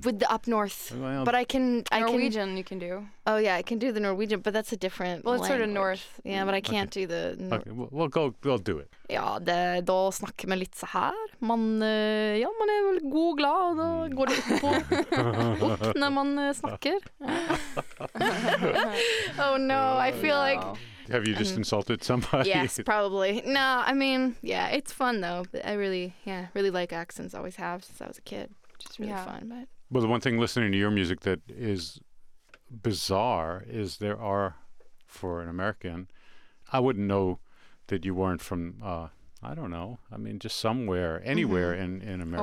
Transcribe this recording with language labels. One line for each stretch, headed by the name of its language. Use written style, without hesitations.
English: With the up north, well, but I can. Norwegian you can do. Oh, yeah, I can do the Norwegian, but that's a different Well, it's language. Sort of north. Yeah, but I can't do the north. Okay, we'll do it.
Swedish: Ja, då snackar man lite så här. Man är väl god och glad och går upp på när man snackar.
English: Oh, no, I feel like... Have you just insulted somebody? Yes, probably. No, I mean, yeah, it's fun, though. But I really, really like accents, always have since I was a kid, which is really fun. But well, the one thing listening to your music that is bizarre is there are, for an American, I wouldn't know that you weren't from, I don't know, I mean, just somewhere, anywhere in America.